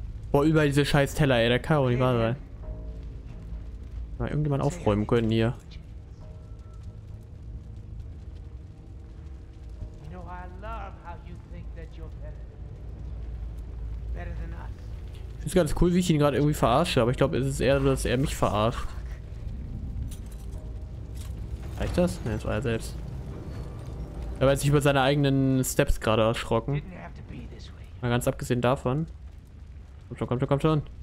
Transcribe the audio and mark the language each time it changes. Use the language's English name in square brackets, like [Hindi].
[German] Boah, über diese scheiß Teller, ey, der kann auch nicht wahr sein. Mal irgendjemand aufräumen können hier. [English] You know, I love how you think that you're better. Better than us. [German] Ist ganz cool, wie ich ihn gerade irgendwie verarsche, aber ich glaube, es ist eher so, dass er mich verarscht. Reicht das? Ne, das war er selbst. Er war jetzt nicht über seine eigenen Steps gerade erschrocken. Mal ganz abgesehen davon. Komm schon, komm schon, komm schon.